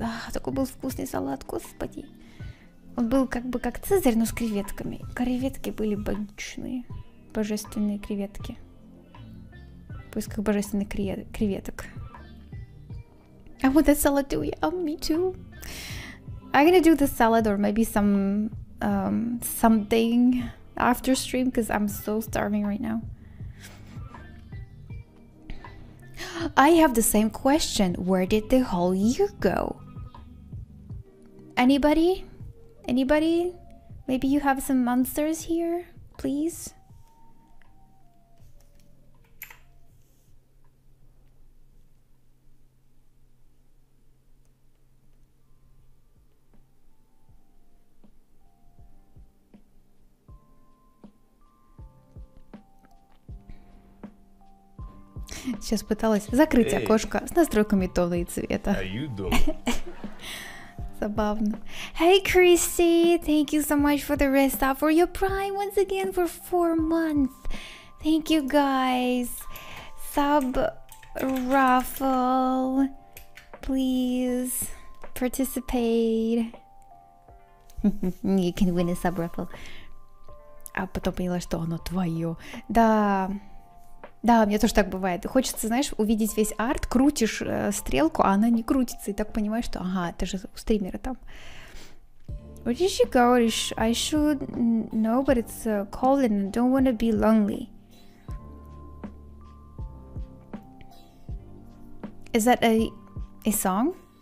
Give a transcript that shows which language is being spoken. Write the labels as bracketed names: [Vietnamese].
[Russian] Ах, такой был вкусный салат, господи. Он был как бы как цезарь, но с креветками. Креветки были богичные. Божественные креветки. В поисках божественных креветок. [English] I want that salad too. Yeah, me too. I'm gonna do the salad or maybe some something after stream because I'm so starving right now. I have the same question. Where did the whole year go? Anybody? Anybody? Maybe you have some answers here, please? [Russian] Сейчас пыталась закрыть окошко с настройками тона и цвета. Забавно. [English] Hey, [Russian] Chrissy! [English] Thank you so much for the rest of your prime once again for 4 months. Thank you, guys. Sub raffle. Please participate. You can win a sub raffle. [Russian] А потом поняла, что оно твое. Да... Да, у меня тоже так бывает. Хочется, знаешь, увидеть весь арт, крутишь стрелку, а она не крутится. И так понимаешь, что ага, ты же у стримера там. [English] Where did she go? I should know, but it's cold and I don't want to be lonely. Is that a song?